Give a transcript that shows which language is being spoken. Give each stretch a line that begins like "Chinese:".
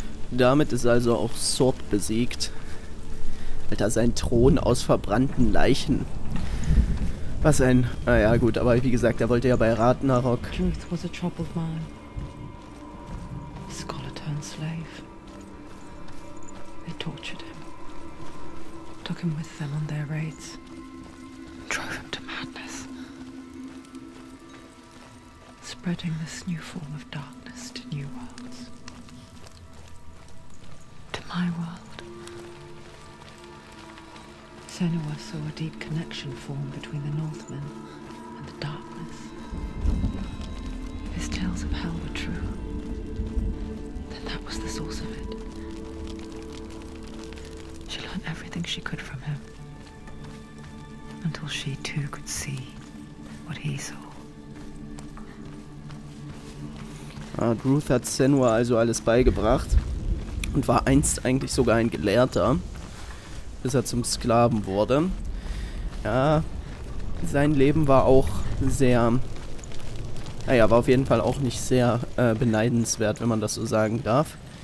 German: Damit ist also auch Sword besiegt. Alter, sein Thron aus verbrannten Leichen. Was ein... Naja, gut, aber wie gesagt, er wollte ja bei Ragnarok.
English: Truth was a troubled man. A scholar turned slave. They tortured him. Took him with them on their raids. Drove him to madness. Spreading this new form of darkness to new worlds. To my world. Senua saw a deep connection form between the Northmen and the darkness. His tales of hell were true. Then that was the source of it. She learned everything she could from him. Until she too could see what he saw.
German: Ah, Druth hat Senua also alles beigebracht und war einst eigentlich sogar ein Gelehrter, bis er zum Sklaven wurde. Ja, sein Leben war auch sehr, naja, war auf jeden Fall auch nicht sehr beneidenswert, wenn man das so sagen darf.